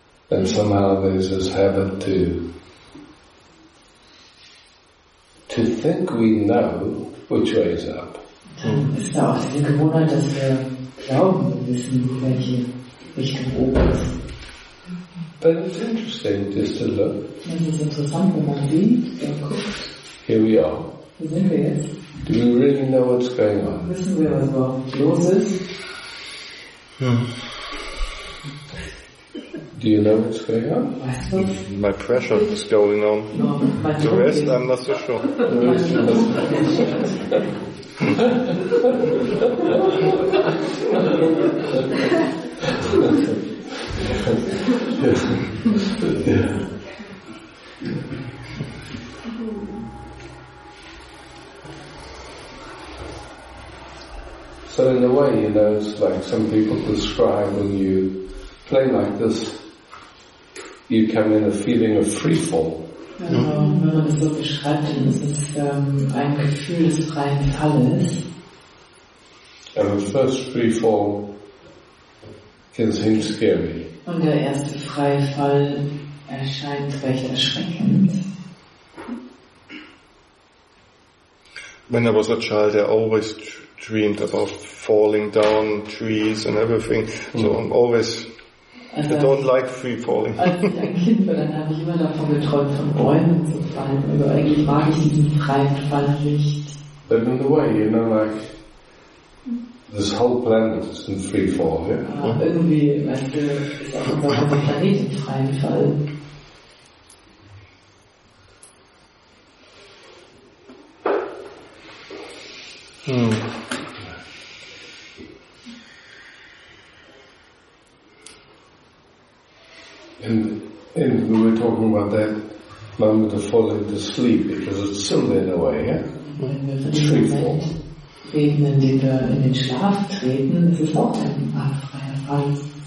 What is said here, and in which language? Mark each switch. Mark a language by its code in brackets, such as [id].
[en] And somehow there's this habit to think we know which way is up. [de] Ist da auch die Gewohnheit, dass wir glauben, wir wissen, welche Richtung oben ist. [en] But it's interesting just to look. [de] Das ist interessant, wenn man sieht, dann guckt. [en] Here we are. [de] Wo sind wir jetzt? [en] Do we really know what's going on? [de] Wissen wir, was überhaupt los ist? [en] Do you know what's going on? My pressure is going on. No, the rest, I'm not so sure. So in a way, you know, it's like some people describe when you play like this, you come in a feeling of free fall. [de] Wenn man das so beschreibt, dann ist es ein Gefühl des freien Falles. [en] And the first free fall can seem scary. [de] Und der erste freie Fall erscheint recht erschreckend. [en] When I was a child, I always dreamed about falling down trees and everything. So I'm always. Also, I don't like free falling. [de] Als ich ein Kind war, dann habe ich immer davon geträumt, von Bäumen zu fallen. Aber eigentlich mag ich diesen freien Fall nicht. [en] But in the way, you know, like this whole planet is in free fall. Yeah. [de] Irgendwie, weißt du, ist auch unser ganzer Planet im freien Fall. [en] And we were talking about that moment of falling to sleep because it's still in a way, yeah? It's free fall. [de] Reden, indem wir in den Schlaf treten, das ist auch ein freier Fall.